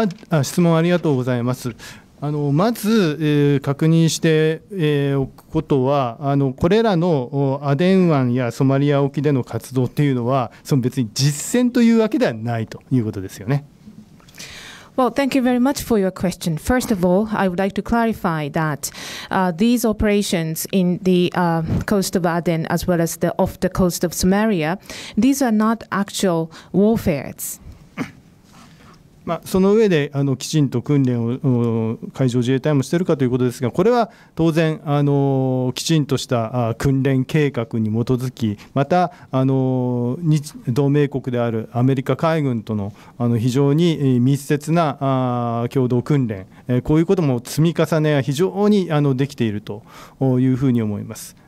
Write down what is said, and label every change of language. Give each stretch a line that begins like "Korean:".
Japanese: あ、質問ありがとうございます。まず、確認して、おくことは、これらのアデン湾やソマリア沖での活動っていうのは、その別に実戦というわけではないということですよね。
English: Well, thank you very much for your question. First of all, I would like to clarify that these operations in the coast of Aden as well as the off the coast of Samaria, these are not actual warfare.
Japanese: まあ、その上できちんと訓練を海上自衛隊もしているかということですが、これは当然きちんとした訓練計画に基づき、また同盟国であるアメリカ海軍との非常に密接な共同訓練、こういうことも積み重ねは非常にできているというふうに思います。